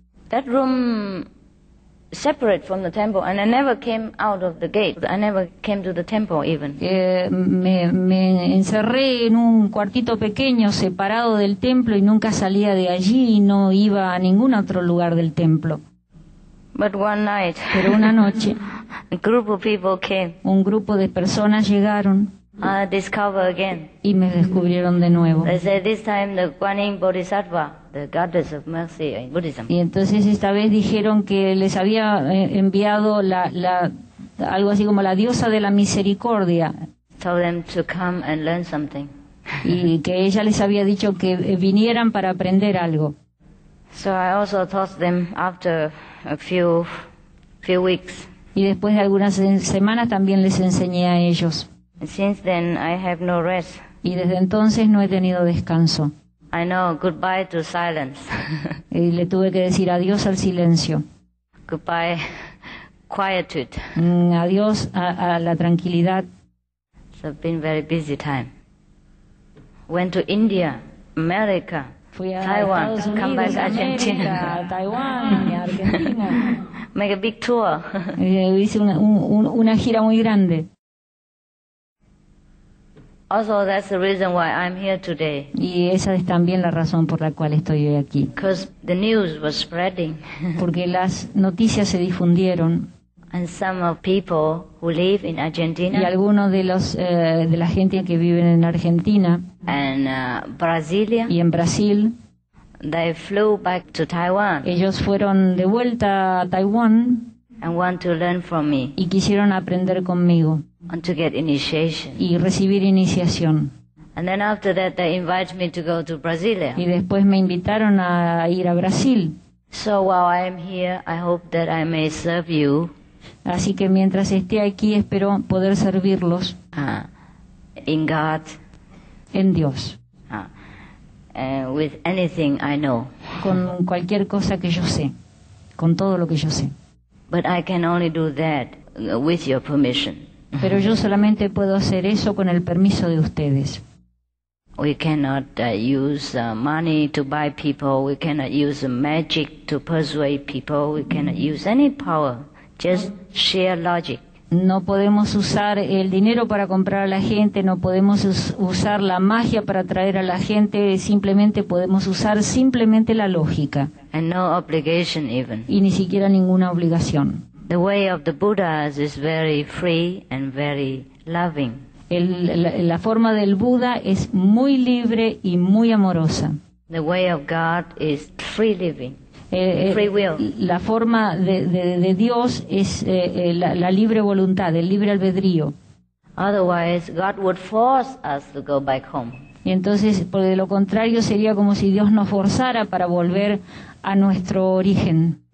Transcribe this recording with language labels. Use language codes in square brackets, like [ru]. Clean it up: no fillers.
[en] That room, separate from the temple, and I never came out of the gate. I never came to the temple even. [es] Me encerré en un cuartito pequeño, separado del templo, y nunca salía de allí, y no iba a ningún otro lugar del templo. [en] But one night. [es] Pero una noche. [en] A group of people came. [es] Un grupo de personas llegaron. [en] Discover again. [es] Y me descubrieron de nuevo. [en] They said this time the Guan Yin Bodhisattva, the goddess of mercy in Buddhism. [es] Y entonces esta vez dijeron que les había enviado la algo así como la diosa de la misericordia. [en] Told them to come and learn something. [es] Y que ella les había dicho que vinieran para aprender algo. [en] So I also taught them after a few weeks. [es] Y después de algunas semanas también les enseñé a ellos. [en] Since then, I have no rest. [es] Y desde entonces no he tenido descanso. [en] I know, goodbye to silence. [es] Y le tuve que decir adiós al silencio. [en] Goodbye, quietude. [es] Adiós a la tranquilidad. [en] It's been very busy time. Went to India, America, [es] fui a Taiwan, Estados Unidos, [en] come back Argentina. [es] América, Taiwan, Argentina. [en] Make a big tour. [es] Hice una gira muy grande. [en] Also, that's the reason why I'm here today. [es] Y esa es también la razón por la cual estoy hoy aquí. [en] Because the news was spreading. [es] Porque las noticias se difundieron. [en] And some of people who live in Argentina. [es] Y algunos de los de la gente que viven en Argentina. [en] And Brasilia. [es] Y en Brasil. [en] They flew back to Taiwan. [es] Ellos fueron de vuelta a Taiwán. [en] And want to learn from me. [es] Y quisieron aprender conmigo. [en] And to get initiation. [es] Y recibir iniciación. [en] And then after that they invited me to go to Brasilia. [es] Y después me invitaron a ir a Brasil. [en] So while I am here, I hope that I may serve you. [es] Así que mientras esté aquí, espero poder servirlos. [en] In God. [es] En Dios. [en] With anything I know. [es] Con cualquier cosa que yo sé, con todo lo que yo sé. [en] But I can only do that with your permission. [es] Pero yo solamente puedo hacer eso con el permiso de ustedes. [en] We cannot use money to buy people. We cannot use magic to persuade people. We cannot use any power. Just sheer logic. [es] No podemos usar el dinero para comprar a la gente, no podemos usar la magia para atraer a la gente, simplemente podemos usar simplemente la lógica. [en] And no obligation even. [es] Y ni siquiera ninguna obligación. [en] The way of the Buddhas is very free and very loving. [es] La forma del Buda es muy libre y muy amorosa. [en] The way of God is free living. Free will. [es] La forma de Dios es la libre voluntad, el libre albedrío. [en] Otherwise, God would force us to go back home. [es] Y entonces, por lo contrario, sería como si Dios nos forzara para volver a nuestro origen.